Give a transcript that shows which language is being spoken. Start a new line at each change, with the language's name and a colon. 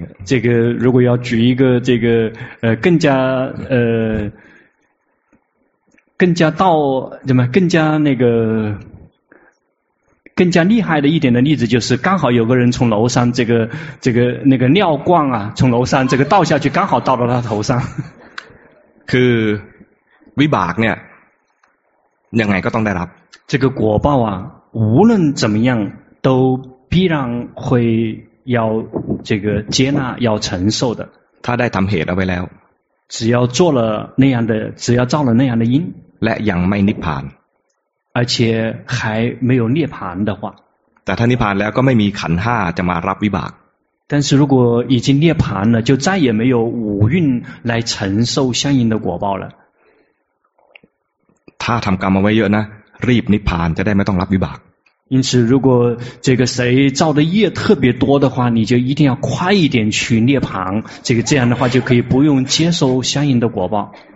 Chinese: 这个如果要举一个这个更加更加到怎么更加那个更加厉害的一点的例子，就是刚好有个人从楼上这个那个尿罐啊，从楼上这个倒下去，刚好倒到他头上。
Thai: คือวิบากเนี่ยยังไงก็ต้องได้รับ
Chinese: 这个果报啊，无论怎么样都必然会要这个接纳要承受的。
Thai: 他ได้ทำเหตุเอาไว้แล้ว
Chinese: 只要做了那样的，只要造了那样的因。
Thai: และยังไม่นิพพาน
Chinese: 而且还没有涅槃的话
Thai: แต่ถ้านิพพานแล้วก็ไม่มีขันห้าจะมารับวิบาก
Chinese: 但是如果已经涅槃了就再也没有五蕴来承受相应的果报了
Thai: ถ้าทำกรรมมาไว้เยอะนะรีบนิพพานจะได้ไม่ต้องรับวิบาก
Chinese: 因此如果这个谁造的业特别多的话你就一定要快一点去涅槃这个这样的话就可以不用接受相应的果报